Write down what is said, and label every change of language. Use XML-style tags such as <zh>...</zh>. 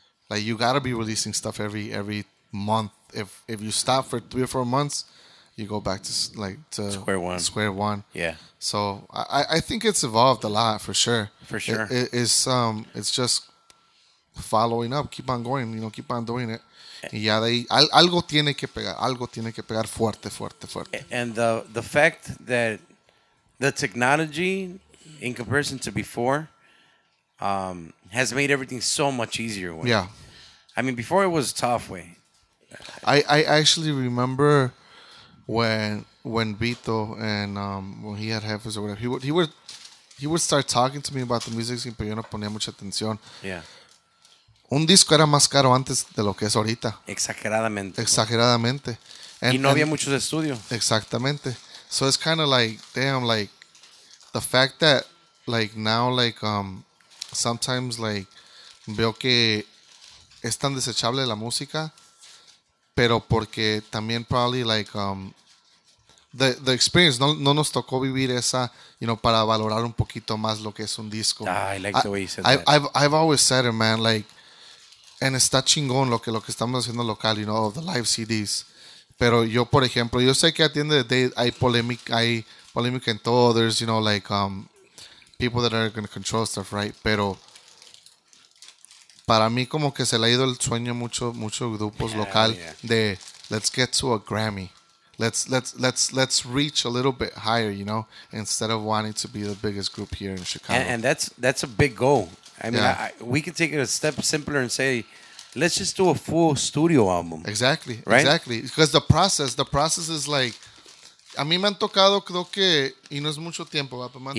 <en>Like, you got to be releasing stuff every month. If you stop for 3 or 4 months, you go back to, like, to square one. Yeah. So I think it's evolved a lot, for sure. For sure. It's just following up. Keep on going, you know, keep on doing it.</en> <es>Y ya de ahí, algo tiene que pegar fuerte.</es> <en>And the fact that the technology, in comparison to before, has made everything so much easier. Way. Yeah. I mean, before it was tough, way. I actually remember when Vito and when he had heifers or whatever, he would start talking to me about the music,</en> <es>pero yo no ponía mucha atención.</es> <en>Yeah.</en> <es>Un disco era más caro antes de lo que es ahorita. Exageradamente. Y no había muchos estudios. Exactamente.</es> <en>So it's kind of like, damn, like, the fact that, like, now, like, sometimes, like,</en> <es>veo que es tan desechable la música, pero porque también</es> <en>probably, like, the experience,</en> <es>no nos tocó vivir esa, you know, para valorar un poquito más lo que es un disco.</es> <en>Ah, I like the way you said that. I've always said it, man, like, and</en> <es>está chingón lo que estamos haciendo local,</es> <en>you know, the live CDs.</en> <es>Pero yo, por ejemplo, yo sé que atiende de hay polémica en todo.</es> <en>There's, you know, like, people that are going to control stuff, right?</en> <es>Pero para mí como que se le ha ido el sueño mucho grupos local de</es> <en>let's get to a Grammy. Let's reach a little bit higher, you know, instead of wanting to be the biggest group here in Chicago. And that's a big goal. I mean, we could take it a step simpler and say, let's just do a full studio album. Exactly. Right? Exactly. Because the process is like,</en> <es>a mí me han tocado, creo que, y no es mucho tiempo, me han tocado.</es>